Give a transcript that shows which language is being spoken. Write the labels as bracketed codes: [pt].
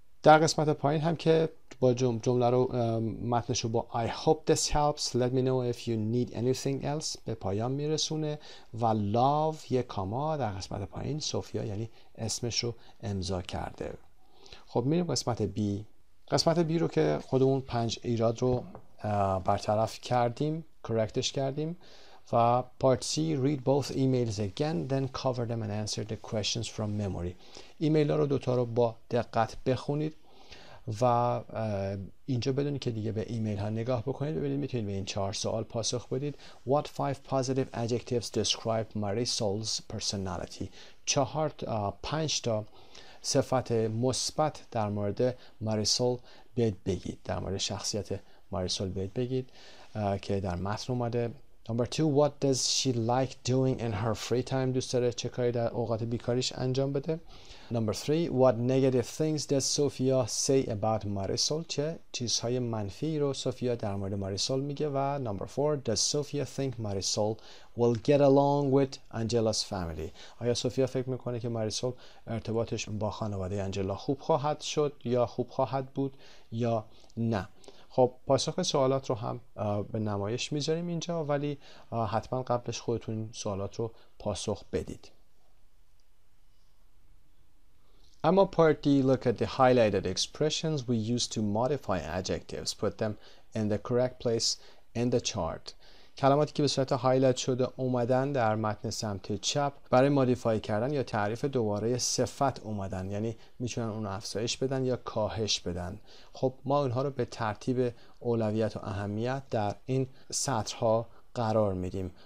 [fa] در قسمت پایین هم که با جمله رو متنش رو با [en] I hope this helps, let me know if you need anything else [fa] به پایان میرسونه. و love یک کاما در قسمت پایین، سوفیا یعنی اسمش رو امضا کرده. خب میریم قسمت B. قسمت B رو که خودمون 5 ایراد رو برطرف کردیم، correctش کردیم. [en] و part C, read both emails again then cover them and answer the questions from memory. [fa] ایمیل ها رو دوتا رو با دقت بخونید و اینجا بدونید که دیگه به ایمیل ها نگاه بکنید، ببینید میتونید به این 4 سوال پاسخ بدید. [en] What 5 positive adjectives describe Marisol's personality? [fa] 5 تا صفت مثبت در مورد ماریسول بهت بگید، در مورد شخصیت ماریسول بهت بگید که در متن اومده. [en] Number 2, what does she like doing in her free time? [fa] دوست داره چه کاری در اوقات بیکاریش انجام بده. [en] Number 3, what negative things does Sophia say about Marisol? [fa] چه چیزهای منفی رو سوفیا در مورد ماریسول میگه. [en] و Number 4, does Sophia think Marisol will get along with Angela's family? [fa] آیا سوفیا فکر میکنه که ماریسول ارتباطش با خانواده انجلا خوب خواهد شد یا خوب خواهد بود یا نه؟ خب پاسخ سوالات رو هم به نمایش میذاریم اینجا، ولی حتما قبلش خودتون سوالات رو پاسخ بدید. [en] اما part D, look at the highlighted expressions we use to modify adjectives. Put them in the correct place in the chart. [fa] کلماتی که به صورت هایلایت شده اومدن در متن سمت چپ برای مودیفای کردن یا تعریف دوباره صفت اومدن، یعنی میتونن اون رو افزایش بدن یا کاهش بدن. خب ما اونها رو به ترتیب اولویت و اهمیت در این سطرها قرار میدیم.